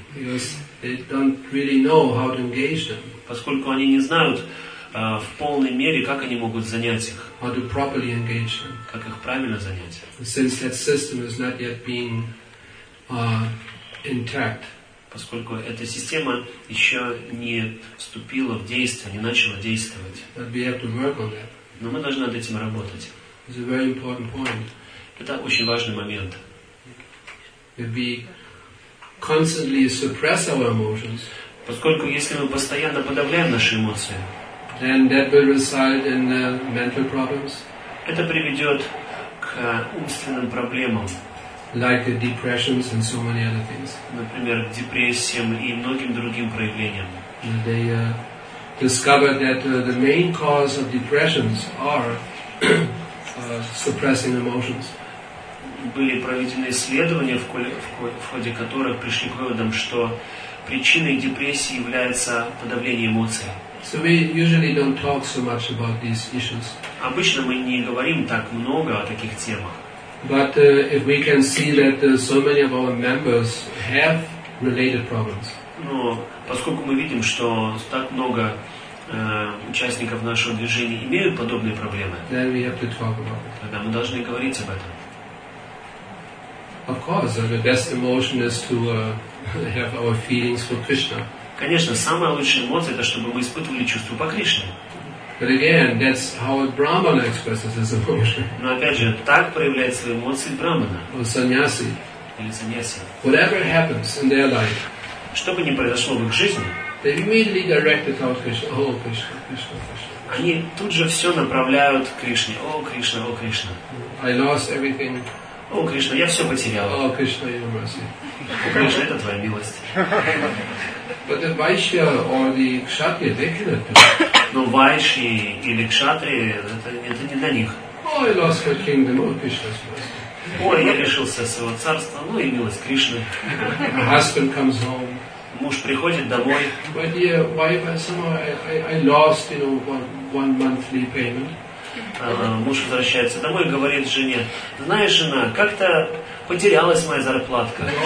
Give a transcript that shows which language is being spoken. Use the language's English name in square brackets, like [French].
[English] Because they don't really know how to engage them. [Russian] Поскольку они не знают в полной мере, как они могут занять их. [English] How to properly engage them. [Russian] Как их правильно занять. [English] Since that system is not yet being intact. [Russian] поскольку эта система еще не вступила в действие, не начала действовать. Но мы должны над этим работать. [English] It's a very important point. [Russian] Это очень важный момент. [English] We constantly suppress our emotions. [Russian] Поскольку если мы постоянно подавляем наши эмоции, [English] then that will result in mental problems. [Russian] Это приведет к умственным проблемам. [English] Like the depressions and so many other things. [Russian] Например, к депрессиям и многим другим проявлениям. [English] And they discovered that the main cause of depressions are suppressing emotions. [Russian] Были проведены исследования, в ходе которых пришли к выводам, что причиной депрессии является подавление эмоций. [English] So we usually don't talk so much about these issues. [Russian] Обычно мы не говорим так много о таких темах. [English] But if we can see that so many of our members have related problems. [Russian] Но поскольку мы видим, что так много участников нашего движения имеют подобные проблемы, [English] then we have to talk about it. [Russian] Тогда мы должны говорить об этом. [English] Of course, the best emotion is to have our feelings for Krishna. [Russian] Конечно, самая лучшая эмоция — это чтобы мы испытывали чувство по Кришне. [English] But again, that's how a Brahmana expresses his emotion. [Russian] Но опять же, так проявляет свои эмоции Брахмана. [English] Or sannyasi. [Russian] Или саньяси. [English] Whatever happens in their life. [Russian] Что бы ни произошло в их жизни. [English] They immediately direct it out Krishna. Oh, Krishna, Krishna, Krishna. [Russian] Они тут же все направляют к Кришне. О, Кришна, о, Кришна. [English] I lost everything. [Russian] О, Кришна, я все потерял. [English] О, Кришна, your mercy. [Russian] О, Кришна, это твоя милость. [English] But the Vaishya or the Kshatriya, they cannot do. [Russian] Но Вайши или Кшатрии, это не для них. [English] Oh, I lost my kingdom. Oh, Krishna's [Russian] mercy. Ой, я лишился своего царства. Ну и милость Кришны. [English] My husband comes home. [Russian] Муж приходит домой. [English] My dear wife, I lost, you know, one monthly payment. [Russian] Муж возвращается домой и говорит жене: знаешь, жена, как-то потерялась моя зарплатка.